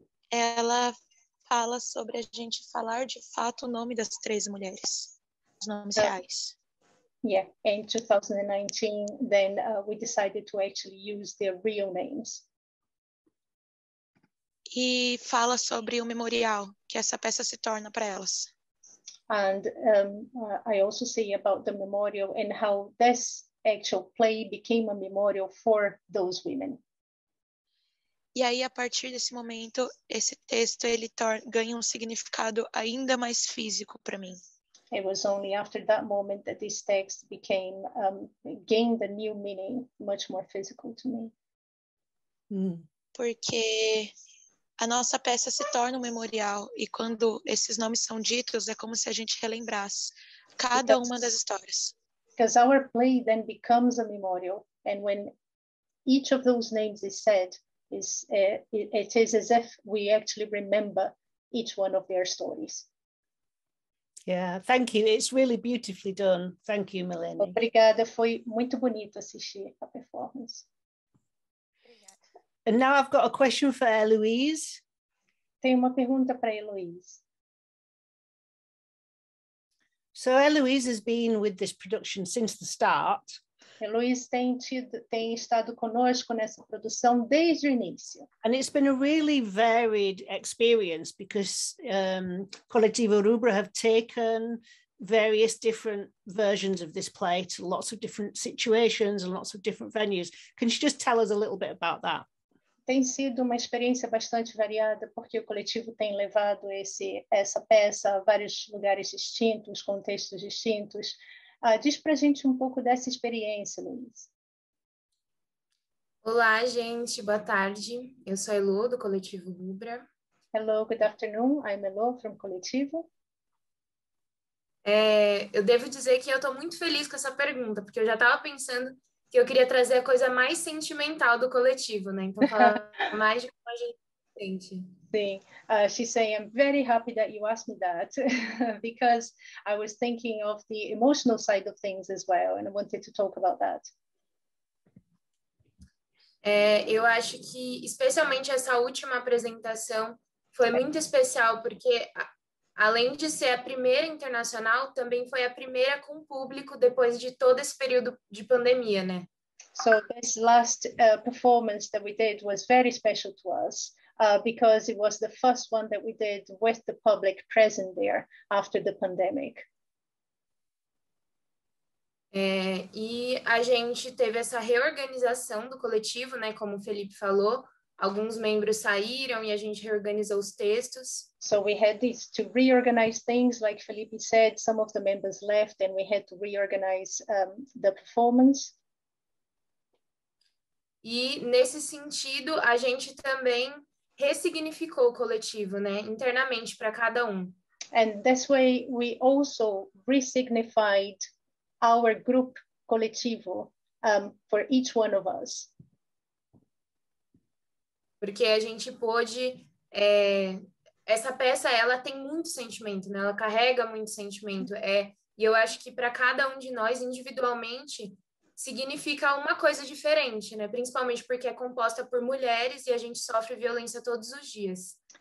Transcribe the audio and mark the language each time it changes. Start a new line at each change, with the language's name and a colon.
Portuguese: ela fala sobre a gente falar de fato o nome das três mulheres, os nomes reais.
English: Yeah, in 2019, then we decided to actually use their real names.
Portuguese: E fala sobre o memorial que essa peça se torna para elas.
English: And I also say about the memorial and how this actual play became a memorial for those women.
Portuguese: E aí, a partir desse momento, esse texto ele ganha um significado ainda mais físico para mim.
English: It was only after that moment that this text became gained a new meaning, much more physical to me.
Portuguese: Porque a nossa peça se torna um memorial e quando esses nomes são ditos é como se a gente relembrasse cada uma das histórias.
English: Because our play then becomes a memorial, and when each of those names is said, it is as if we actually remember each one of their stories. Yeah, thank you. It's really beautifully done. Thank you, Milene.
Portuguese: Obrigada, foi muito bonito assistir a performance.
English: And now I've got a question for Eloise.
Portuguese: Tenho uma pergunta para Eloise.
English: So Eloise has been with this production since the start.
Portuguese: Eloise tem estado conosco nessa produção desde o início.
English: And it's been a really varied experience because Coletivo Rubra have taken various different versions of this play to lots of different situations and lots of different venues. Can you just tell us a little bit about that?
Portuguese: Tem sido uma experiência bastante variada porque o coletivo tem levado essa peça a vários lugares distintos, contextos distintos. Diz para a gente um pouco dessa experiência, Luiz. Olá, gente. Boa tarde. Eu sou a Elô, do Coletivo Rubra.
English: Hello, good afternoon. I'm Elô, from Coletivo.
Portuguese: Eu devo dizer que eu estou muito feliz com essa pergunta, porque eu já estava pensando que eu queria trazer a coisa mais sentimental do coletivo, né? Então, falar mais de como a gente sente.
English: Sim, she's saying, I'm very happy that you asked me that because I was thinking of the emotional side of things as well and I wanted to talk about that.
Portuguese: Eu acho que especialmente essa última apresentação foi muito especial porque além de ser a primeira internacional, também foi a primeira com público depois de todo esse período de pandemia, né?
English: So this last performance that we did was very special to us. Because it was the first one that we did with the public present there after the pandemic.
Portuguese: E a gente teve essa reorganização do coletivo, né? Como o Felipe falou, alguns membros saíram e a gente reorganizou os textos.
English: So we had this to reorganize things, like Felipe said, some of the members left and we had to reorganize the performance.
Portuguese: E nesse sentido, a gente também ressignificou o coletivo, né, internamente para cada um.
English: And this way we also resignified our group coletivo for each one of us.
Portuguese: Porque a gente pôde, essa peça, ela tem muito sentimento, né, ela carrega muito sentimento. E eu acho que para cada um de nós, individualmente, significa uma coisa diferente, né? Principalmente porque é composta por mulheres e a gente sofre violência todos os dias.